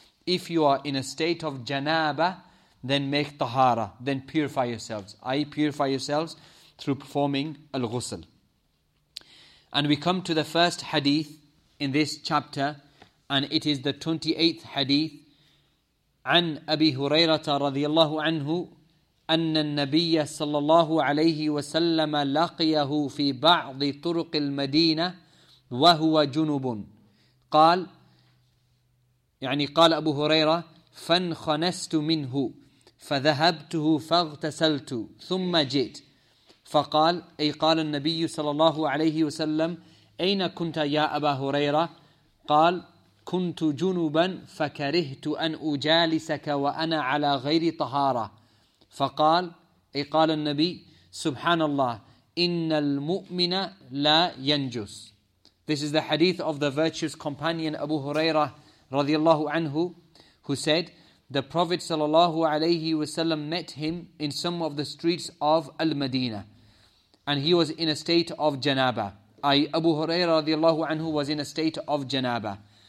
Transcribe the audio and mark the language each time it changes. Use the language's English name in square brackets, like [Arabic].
[English] If you are in a state of janaba, then make tahara, then purify yourselves. I purify yourselves through performing al-ghusl. And we come to the first hadith in this chapter, and it is the 28th hadith. [Arabic] عن أبي هريرة رضي الله عنه أن النبي صلى الله عليه وسلم لقيه في بعض طرق المدينة وهو جنوب. قال يعني قال أبو هريرة فانخنست منه فذهبته فاغتسلت ثم جئت فقال أي قال النبي صلى الله عليه وسلم أين كنت يا أبا هريرة قال كنت جنبا فكرهت أن أجالسك وأنا على غير طهارة فقال أي قال النبي سبحان الله إن المؤمن لا ينجس. [English] This is the hadith of the virtuous companion Abu Huraira radiallahu anhu, who said the Prophet sallallahu alayhi wasallam met him in some of the streets of Al-Madinah, and he was in a state of janaba. Abu Huraira radiallahu anhu was in a state of janaba.